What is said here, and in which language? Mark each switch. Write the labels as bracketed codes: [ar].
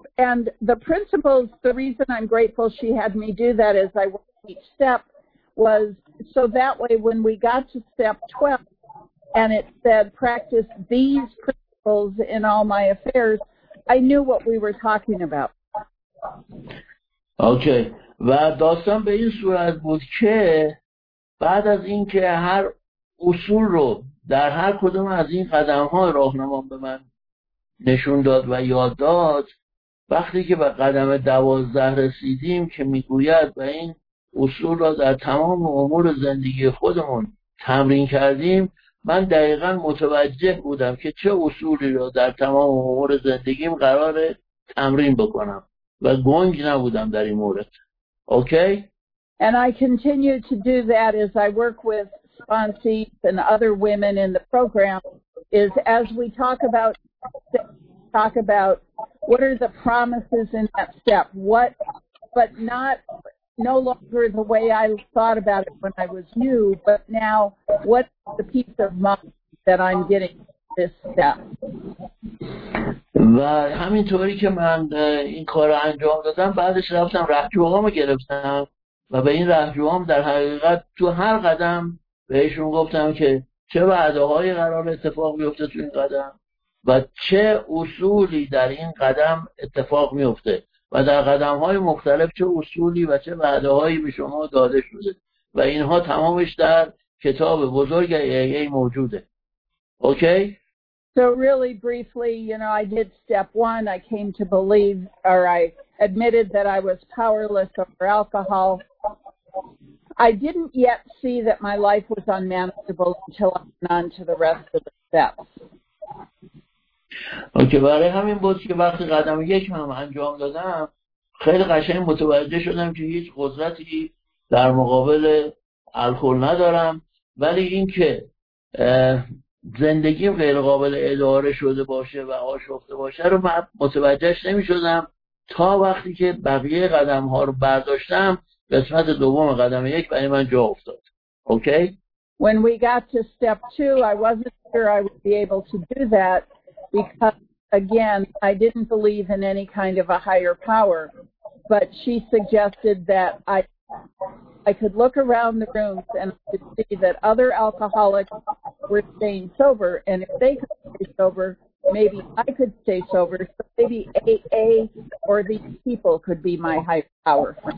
[en] And the principles, the reason I'm grateful she had me do that is I worked each step was so that way when we got to step 12 and it said practice these principles in all my affairs, I knew what we were talking about. Okay. [fa] و داستان به این صورت بود که بعد از این که هر اصول رو در هر کدوم از این قدم ها راهنما به من نشون داد و یاد داد، وقتی که به قدم 12 رسیدیم که میگوید و این اصول را در تمام امور زندگی خودمون تمرین کردیم، من دقیقا متوجه بودم که چه اصولی را در تمام امور زندگیم قراره تمرین بکنم و گنگ نبودم در این مورد. [en] Okay? And I continue to do that as I work with sponsees and other women in the program, is as we talk about what are the promises in that step, what, but not no longer the way I thought about it when I was new, but now what's the peace of mind that I'm getting this step? [fa] و همینطوری که من این کار را انجام دادم، بعدش رفتم رهجوهام رو گرفتم و به این رهجوهام در حقیقت تو هر قدم بهشون گفتم که چه وعده هایی قرار اتفاق میفته تو این قدم و چه اصولی در این قدم اتفاق میفته و در قدم های مختلف چه اصولی و چه وعده هایی به شما داده شده و اینها تمامش در کتاب بزرگ ای موجوده. [en] Okay? So really briefly, you know, I did step one. I came to believe, or I admitted that I was powerless over alcohol. I didn't yet see that my life was unmanageable until I went on to the rest of the steps. Okay, [fa] برای همین بود که وقتی قدم یکم هم انجام دادم خیلی قشنگ متوجه شدم که هیچ قدرتی در مقابل الکل ندارم، ولی اینکه زندگیم غیر قابل اداره شده باشه و آشفته باشه رو من متوجهش نمی شدم تا وقتی که بقیه قدم ها رو برداشتم قسمت دوم قدم یک برای من جا افتاد. [en] Okay? When we got to step two, I wasn't sure I would be able to do that. Because, again, I didn't believe in any kind of a higher power, but she suggested that I could look around the rooms and I could see that other alcoholics were staying sober, and if they could stay sober, maybe I could stay sober, so maybe AA or these people could be my higher power.